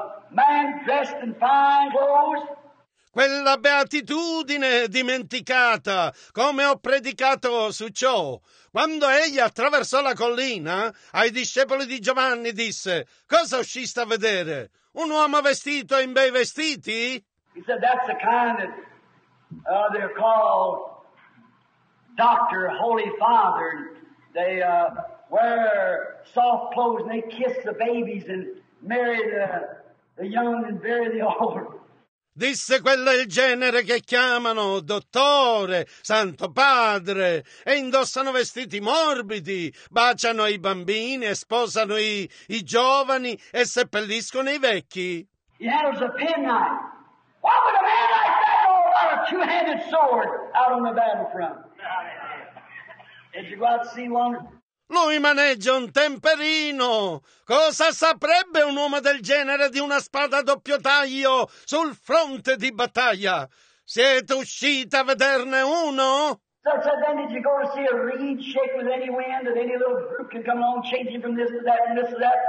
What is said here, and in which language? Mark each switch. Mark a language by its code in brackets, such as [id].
[en] Man dressed in fine clothes? [it] Quella beatitudine dimenticata, come ho predicato su ciò. Quando egli attraversò la collina, ai discepoli di Giovanni disse, cosa usciste a vedere? Un uomo vestito in bei vestiti? [en] He said, that's the kind that they're called doctor, holy father. They wear soft clothes and they kiss the babies and marry the young and bury the old. [it] disse quello è il genere che chiamano dottore, santo padre, e indossano vestiti morbidi, baciano i bambini e sposano i giovani e seppelliscono i vecchi. [en] Yeah, it was a penknife. What would a man like that know about a two-handed sword out on the battlefront? Did you go out to see one? [it] Lui maneggia un temperino. Cosa saprebbe un uomo del genere di una spada a doppio taglio sul fronte di battaglia? Siete usciti a vederne uno? [en] So I said, then did you go to see a reed shake with any wind that any little group can come along changing from this to that and this to that?